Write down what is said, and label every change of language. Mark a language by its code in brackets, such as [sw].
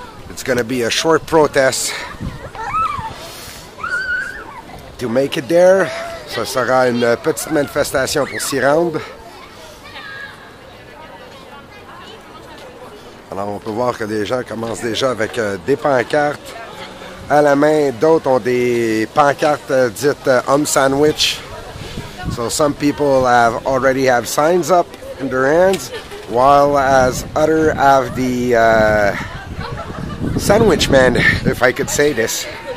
[en] It's going to be a short protest to make it there. [fr] Ça sera une petite manifestation pour s'y rendre. Alors, on peut voir que les gens commencent déjà avec des pancartes à la main. D'autres ont des pancartes dites « homme sandwich ». [en] So some people have already have signs up in their hands, while as others have the sandwich man, if I could say this.